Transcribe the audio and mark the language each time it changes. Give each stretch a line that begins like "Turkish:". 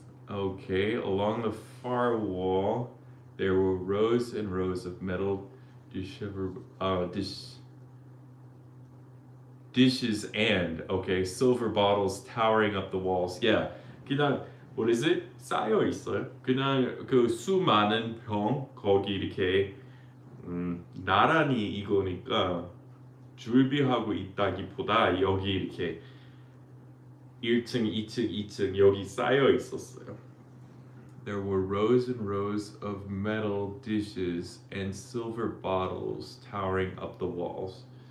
English: Okay, along the far wall there were rows and rows of metal dishes and okay, silver bottles towering up the walls.
Korean: Yeah. 그냥
English: what is it?
Korean: 쌓여 있어요. 그냥 그 수많은 병 거기 이렇게 나란히 이거니까 준비하고 있다기보다 여기 이렇게 1층, 2층, 2층 여기 쌓여 있었어요.
English: There were rows and rows of metal dishes and silver bottles towering up the walls.